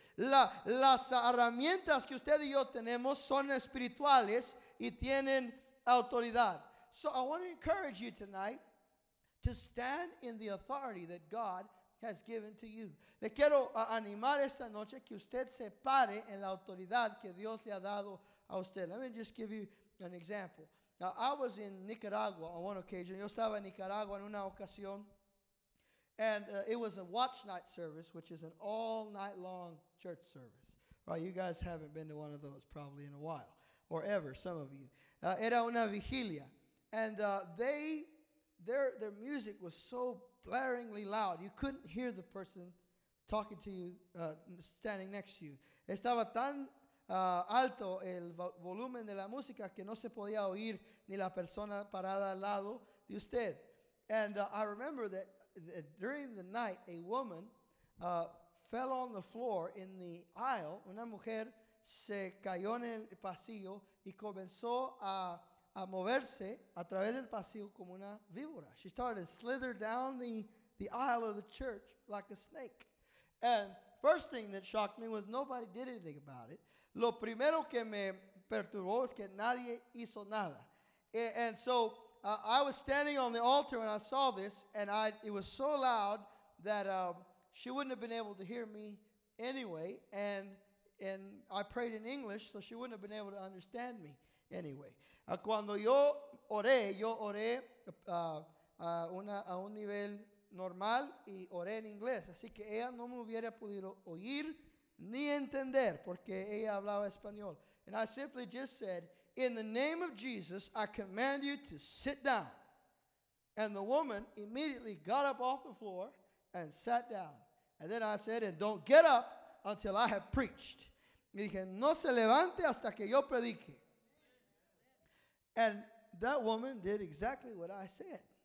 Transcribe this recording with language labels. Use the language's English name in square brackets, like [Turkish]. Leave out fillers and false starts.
[Spanish] Las herramientas que usted y yo tenemos son espirituales y tienen autoridad. [English] So I want to encourage you tonight to stand in the authority that God has given to you. [Spanish] Le quiero animar esta noche que usted se pare en la autoridad que Dios le ha dado a usted. [English] Let me just give you an example. Now, I was in Nicaragua on one occasion. [Spanish] Yo estaba en Nicaragua en una ocasión. [English] And it was a watch night service, which is an all night long church service. Right, you guys haven't been to one of those probably in a while, or ever, some of you. [Spanish] Era una vigilia. [English] And their music was so blaringly loud, you couldn't hear the person talking to you, standing next to you. [Spanish] Estaba tan alto el volumen de la música que no se podía oír ni la persona parada al lado de usted. [English] And I remember that during the night, a woman fell on the floor in the aisle. [Spanish] Una mujer se cayó en el pasillo y comenzó a moverse a través del pasillo como una víbora. [English] She started to slither down the aisle of the church like a snake. And first thing that shocked me was nobody did anything about it. [Spanish] Lo primero que me perturbó es que nadie hizo nada. [English] And so I was standing on the altar when I saw this, and it was so loud that she wouldn't have been able to hear me anyway, and I prayed in English, so she wouldn't have been able to understand me anyway. [Spanish] Cuando yo oré a un nivel normal y oré en inglés, así que ella no me hubiera podido oír ni entender porque ella hablaba español. [English] And I simply just said, in the name of Jesus, I command you to sit down. And the woman immediately got up off the floor and sat down. And then I said, and don't get up until I have preached. [Spanish] Me dije, no se levante hasta que yo predique. [English] And that woman did exactly what I said.